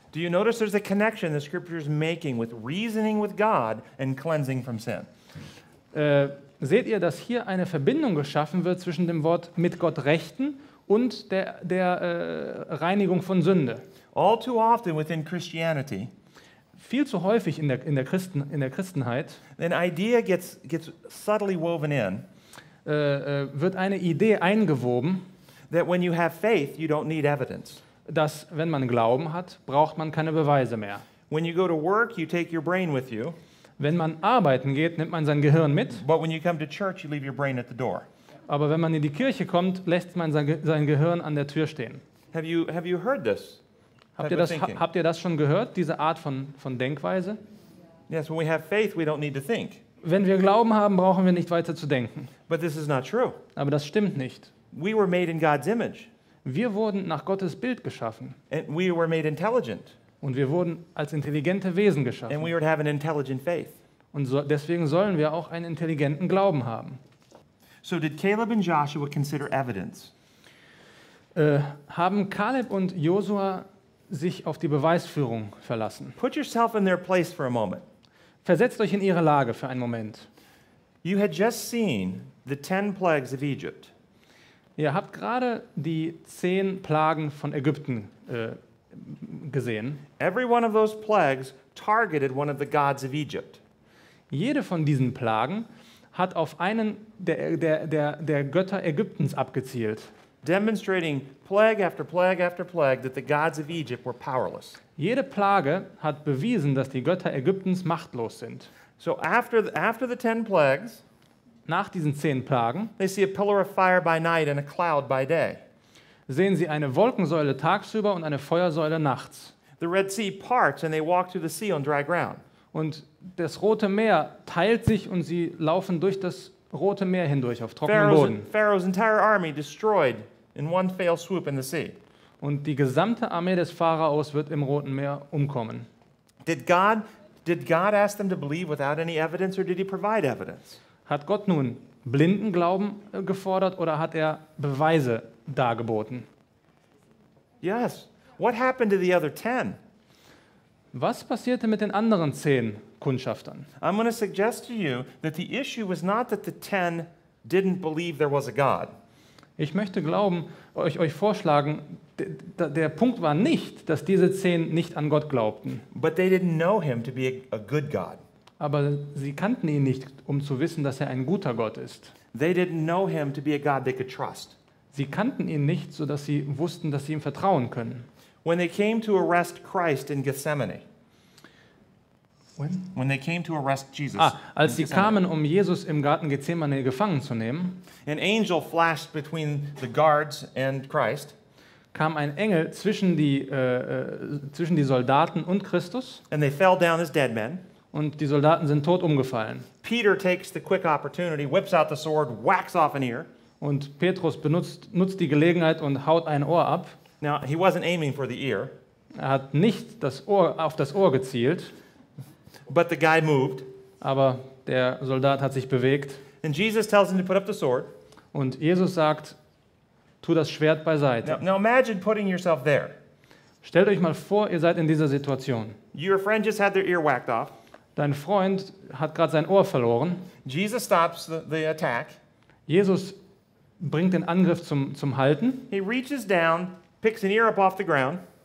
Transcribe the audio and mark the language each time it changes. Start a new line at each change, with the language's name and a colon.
English: Do you notice there's a connection the scripture is making with reasoning with God and cleansing from sin?
German: Seht ihr, dass hier eine Verbindung geschaffen wird zwischen dem Wort mit Gott rechten und der Reinigung von Sünde?
English: All too often within Christianity,
German: viel zu häufig in der Christenheit,
English: an idea gets subtly woven in,
German: wird eine Idee eingewoben,
English: that when you have faith, you don't need evidence.
German: Dass wenn man Glauben hat, braucht man keine Beweise mehr.
English: When you go to work, you take your brain with you.
German: Wenn man arbeiten geht, nimmt man sein Gehirn mit.
English: But when you come to church, you leave your brain at the door.
German: Aber wenn man in die Kirche kommt, lässt man sein Gehirn an der Tür stehen.
English: Have you heard this?
German: Habt ihr das schon gehört, diese Art von Denkweise?
English: Yes, when we have faith, we don't need to think.
German: Wenn wir Glauben haben, brauchen wir nicht weiter zu denken.
English: But this is not true.
German: Aber das stimmt nicht.
English: We were made in God's image.
German: Wir wurden nach Gottes Bild geschaffen.
English: And we were made intelligent.
German: Und wir wurden als intelligente Wesen geschaffen.
English: And we would have an intelligent faith.
German: Und so, deswegen sollen wir auch einen intelligenten Glauben haben.
English: So did Caleb and Joshua consider evidence?
German: Haben Caleb und Josua sich auf die Beweisführung verlassen?
English: Put yourself in their place for a moment.
German: Versetzt euch in ihre Lage für einen Moment.
English: You had just seen the 10 plagues of Egypt.
German: Ihr habt gerade die 10 Plagen von Ägypten gesehen.
English: Every one of those plagues targeted one of the gods of Egypt.
German: Jede von diesen Plagen hat auf einen der Götter Ägyptens abgezielt.
English: Demonstrating plague after plague after plague that the gods of Egypt were powerless.
German: Jede Plage hat bewiesen, dass die Götter Ägyptens machtlos sind.
English: So after the 10 plagues,
German: nach diesen 10 Plagen,
English: they see a pillar of fire by night and a cloud by day.
German: Sehen sie eine Wolkensäule tagsüber und eine Feuersäule nachts.
English: The Red Sea parts and they walk through the sea on dry ground.
German: Und das Rote Meer teilt sich und sie laufen durch das Rote Meer hindurch auf trockenem Boden.
English: Pharaoh's entire army destroyed in one fell swoop in the sea.
German: Und die gesamte Armee des Pharaos wird im Roten Meer umkommen.
English: Did God ask them to believe without any evidence or did he provide evidence?
German: Hat Gott nun blinden Glauben gefordert oder hat er Beweise dargeboten?
English: Yes. What happened to the other 10?
German: Was passierte mit den anderen 10 Kundschaftern?
English: I'm going to suggest to you that the issue was not that the 10 didn't believe there was a God.
German: Ich möchte glauben, euch vorschlagen, der Punkt war nicht, dass diese 10 nicht an Gott glaubten.
English: But they didn't know him to be a good God.
German: Aber sie kannten ihn nicht, um zu wissen, dass er ein guter Gott ist.
English: They didn't know him to be a God they could trust.
German: Sie kannten ihn nicht, so dass sie wussten, dass sie ihm vertrauen können.
English: When they came to arrest Christ in Gethsemane. When they came to arrest Jesus.
German: Ah, als sie kamen, um Jesus im Garten Gethsemane gefangen zu nehmen.
English: An angel flashed between the guards and Christ.
German: Kam ein Engel zwischen die Soldaten und Christus.
English: And they fell down as dead men.
German: Und die Soldaten sind tot umgefallen.
English: Peter takes the quick opportunity, whips out the sword, whacks off an ear.
German: Und Petrus nutzt die Gelegenheit und haut ein Ohr ab.
English: Now, he wasn't aiming for the ear.
German: Er hat nicht das Ohr auf das Ohr gezielt.
English: But the guy moved.
German: Aber der Soldat hat sich bewegt.
English: And Jesus tells him to put up the sword.
German: Und Jesus sagt, tu das Schwert beiseite.
English: Now imagine putting yourself there.
German: Stellt euch mal vor, ihr seid in dieser Situation.
English: Your friend just had their ear whacked off.
German: Dein Freund hat gerade sein Ohr verloren.
English: Jesus stops the attack.
German: Jesus bringt den Angriff zum Halten.
English: He reaches down, picks an ear up off the ground.